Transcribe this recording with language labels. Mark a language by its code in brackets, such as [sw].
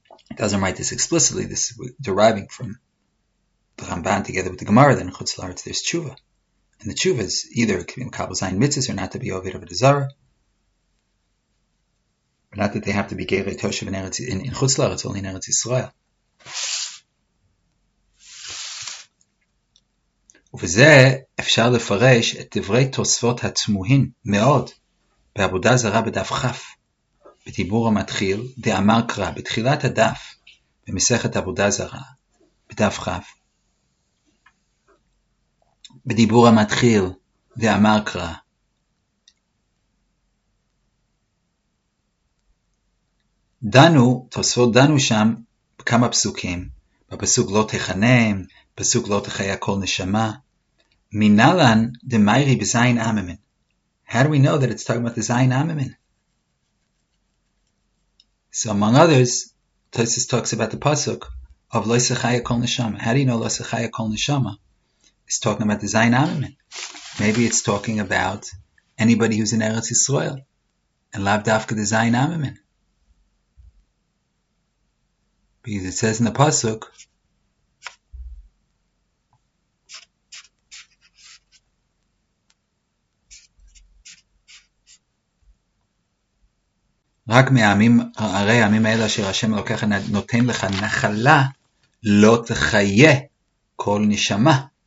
[en] It doesn't write this explicitly. This deriving from the Ramban together with the Gemara that in Chutz La'aretz there's tshuva, and the tshuva is either Kabbalah Zayin Mitzvahs or not to be of the Avodah Zarah. But not that they have to be Geirei Toshev in Chutz La'aretz, only in Eretz Yisrael. [he] וזה אפשר לפרש את דברי תוספות התמוהים מאוד בעבודה זרה בדף חף. בדיבור המתחיל, דאמר קרא, בתחילת הדף במסכת עבודה זרה, בדף חף. בדיבור המתחיל, דאמר קרא. תוספות דנו שם בכמה פסוקים. בפסוק לא תחנם, פסוק לא תחיה כל נשמה. [arc] Minalan de Mairi b'Zayin Amimin. [en] How do we know that it's talking about the Zayin Amimin? So among others, Tosis talks about the Pasuk of Lo Sechaya Kol Neshama. How do you know Lo Sechaya Kol Neshama is talking about the Zayin Amimin? Maybe it's talking about anybody who's in Eretz Yisrael. And Lav Dafka the Zayin Amimin. Because it says in the Pasuk, [he] רק מהעמים, הרי העמים האלה אשר השם לוקח נותן לך נחלה, לא תחיה כל נשמה.